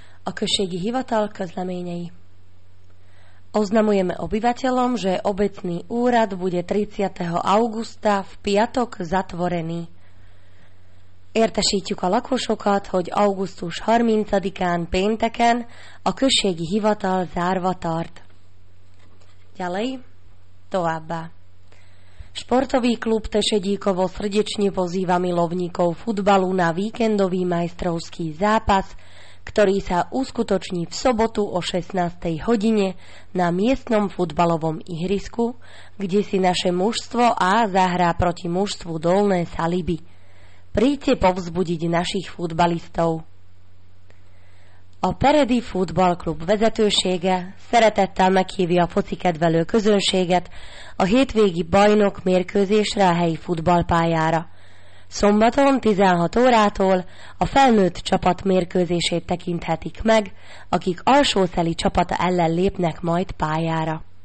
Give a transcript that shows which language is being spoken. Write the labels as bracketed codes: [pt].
[hu] O Községi hivatal közleményei. [sk] Oznamujeme obyvateľom, že obecný úrad bude 30. augusta v piatok zatvorený. [hu] Értesítjük a lakosokat, hogy augusztus 30-án pénteken a községi hivatal zárva tart. [sk] Ďalej, [hu] továbbá. [sk] Športový klub Tešedíkovo srdečne pozýva milovníkov futbalu na víkendový majstrovský zápas, ktorý sa uskutoční v sobotu o 16. hodine na miestnom futbalovom ihrisku, kde si naše mužstvo A zahrá proti mužstvu Dolné Saliby. Príďte povzbudiť našich futbalistov. [hu] A Peredi Futball Klub vezetősége szeretettel meghívja a focikedvelő közönséget a hétvégi bajnok mérkőzésre a helyi futballpályára. Szombaton 16 órától a felnőtt csapat mérkőzését tekinthetik meg, akik alsószeli csapata ellen lépnek majd pályára.